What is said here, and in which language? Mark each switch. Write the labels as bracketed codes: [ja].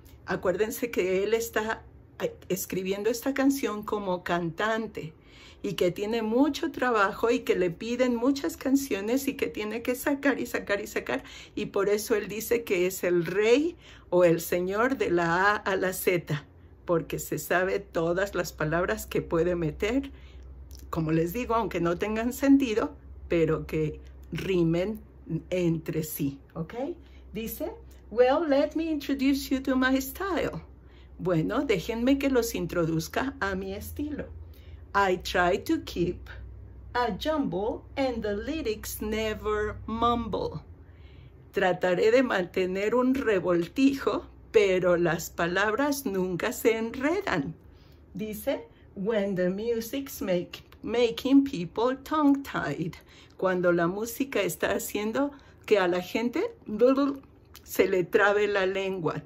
[es] Acuérdense que él está escribiendo esta canción como cantante y que tiene mucho trabajo y que le piden muchas canciones y que tiene que sacar y sacar y sacar, y por eso él dice que es el rey o el señor de la A a la Z, porque se sabe todas las palabras que puede meter, como les digo, aunque no tengan sentido, pero que rimen entre sí, ¿ok? Dice: [en] "Well, let me introduce you to my style." [es] Bueno, déjenme que los introduzca a mi estilo. [en] "I try to keep a jumble and the lyrics never mumble." [es] Trataré de mantener un revoltijo, pero las palabras nunca se enredan. Dice: [en] "When the music's making people tongue-tied." [es] Cuando la música está haciendo que a la gente se le trabe la lengua.